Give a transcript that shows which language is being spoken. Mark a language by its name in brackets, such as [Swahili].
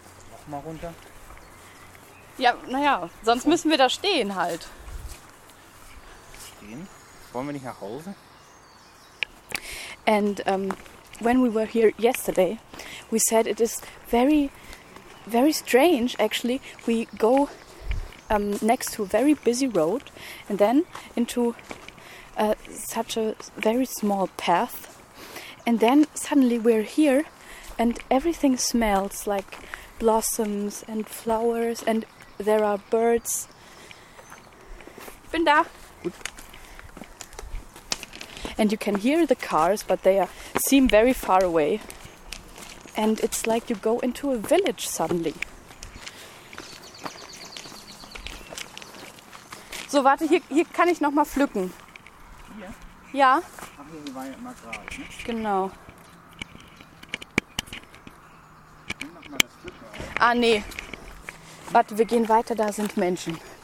[German] Noch mal runter. Ja, naja, sonst müssen wir da stehen halt. Stehen? Wollen wir nicht nach Hause? [English] And when we were here yesterday, we said it is very very strange, actually. We go next to a very busy road and then into such a very small path, and then suddenly we're here and everything smells like blossoms and flowers, and there are birds. [German] Bin da. Gut. [English] And you can hear the cars, but they seem very far away. And it's like you go into a village suddenly. [German] So, warte, hier kann ich noch mal pflücken. Hier? Ja. Ach, hier war ja immer gerade, ne? Genau. Nimm noch mal das Pflücken auf. Ah, nee. Warte, wir gehen weiter, da sind Menschen.